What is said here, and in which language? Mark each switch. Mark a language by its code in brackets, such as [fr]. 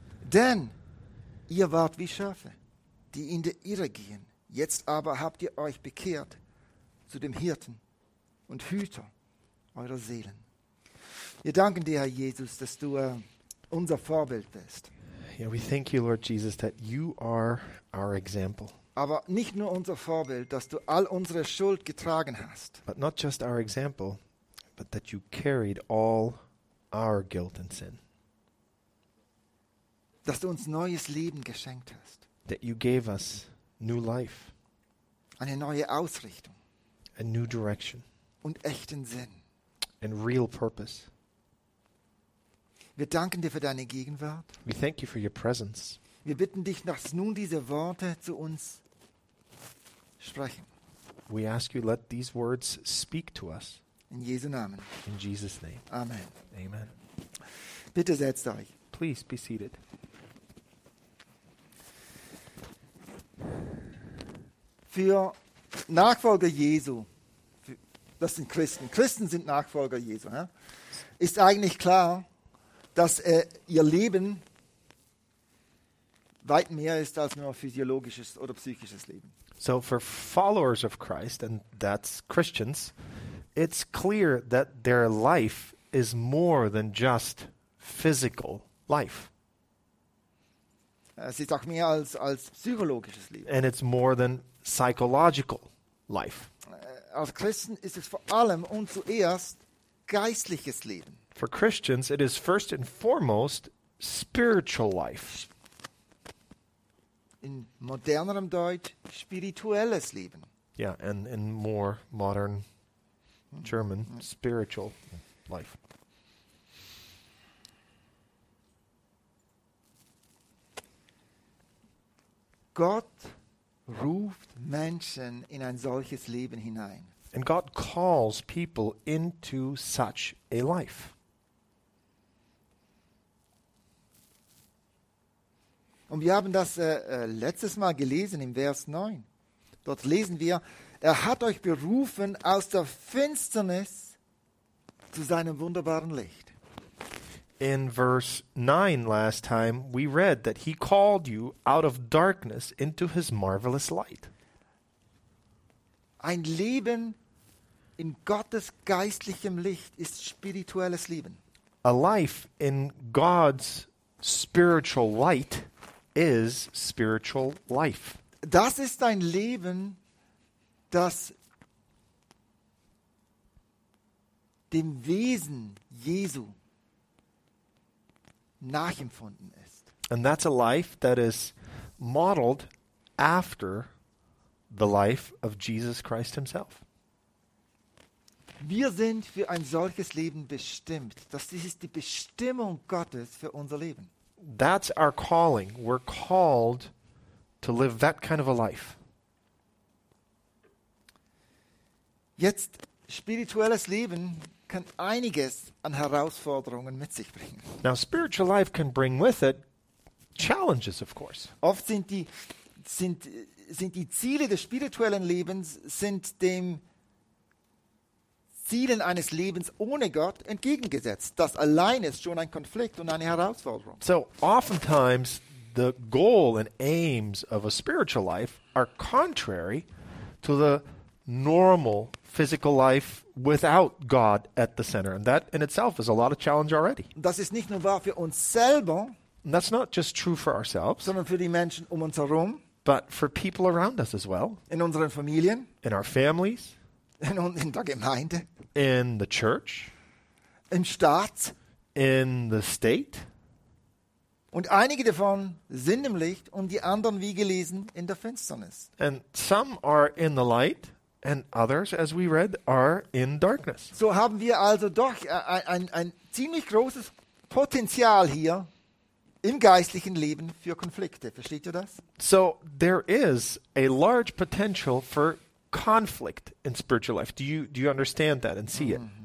[de] Denn ihr wart wie Schafe, die in der Irre gehen. Jetzt aber habt ihr euch bekehrt zu dem Hirten und Hüter eurer Seelen. Wir danken dir, Herr Jesus, dass du unser Vorbild bist. [en] Yeah, we thank you, Lord Jesus, that you are our example. [de] Aber nicht nur unser Vorbild, dass du all unsere Schuld getragen hast. [en] But not just our example, but that you carried all our guilt and sin. [de] Dass du uns neues Leben geschenkt hast. [en] That you gave us new life. [de] Eine neue Ausrichtung. [en] A new direction. [de] Und echten Sinn. [en] And real purpose. [de] Wir danken dir für deine Gegenwart. [en] We thank you for your presence. [de] Wir bitten dich, dass nun diese Worte zu uns sprechen. [en] We ask you, let these words speak to us. [de] In Jesu Namen. [en] In Jesus' name. [de] Amen. [en] Amen. [de] Bitte setzt euch. [en] Please be seated. [de] Für Nachfolger Jesu, das sind Christen, Christen sind Nachfolger Jesu, ist eigentlich klar, dass ihr Leben weit mehr ist als nur physiologisches oder psychisches Leben. [en] So for followers of Christ, and that's Christians, it's clear that their life is more than just physical life. [de] Es ist auch mehr als psychologisches Leben. [en] And it's more than psychological life. [de] Als Christen ist es vor allem und zuerst geistliches Leben. [en] For Christians, it is first and foremost spiritual life. [de] In modernerem Deutsch, spirituelles Leben. [en] Yeah, and in more modern German, spiritual life. [de] Gott ruft Menschen in ein solches Leben hinein. [en] And God calls people into such a life. [de] Und wir haben das letztes Mal gelesen im Vers 9. Dort lesen wir, er hat euch berufen aus der Finsternis zu seinem wunderbaren Licht. [en] In verse 9 last time, we read that he called you out of darkness into his marvelous light. [de] Ein Leben in Gottes geistlichem Licht ist spirituelles Leben. [en] A life in God's spiritual light is spiritual life. [de] Das ist ein Leben, das dem Wesen Jesu nachempfunden ist. [en] And that's a life that is modeled after the life of Jesus Christ himself. [de] Wir sind für ein solches Leben bestimmt. Das ist die Bestimmung Gottes für unser Leben. [en] That's our calling. We're called to live that kind of a life. [de] Jetzt, spirituelles Leben kann einiges an Herausforderungen mit sich bringen. [en] Now, spiritual life can bring with it challenges, of course. [de] Oft sind die Ziele des spirituellen Lebens sind dem Zielen eines Lebens ohne Gott entgegengesetzt. Das allein ist schon ein Konflikt und eine Herausforderung. [en] So, oftentimes the goal and aims of a spiritual life are contrary to the normal physical life without God at the center. And that in itself is a lot of challenge already. [de] Das ist nicht nur wahr für uns selber. [en] And that's not just true for ourselves. [de] Sondern für die Menschen um uns herum. [en] But for people around us as well. [de] In unseren Familien. [en] In our families. [de] In der Gemeinde. [en] In the church. [de] Im Staat. [en] In the state. [de] Und einige davon sind im Licht und die anderen, wie gelesen, in der Finsternis. [en] And some are in the light. And others, as we read, are in darkness. [de] So haben wir also doch ein ziemlich großes Potenzial hier im geistlichen Leben für Konflikte. Versteht ihr das? [en] So there is a large potential for conflict in spiritual life. Do you understand that and see it?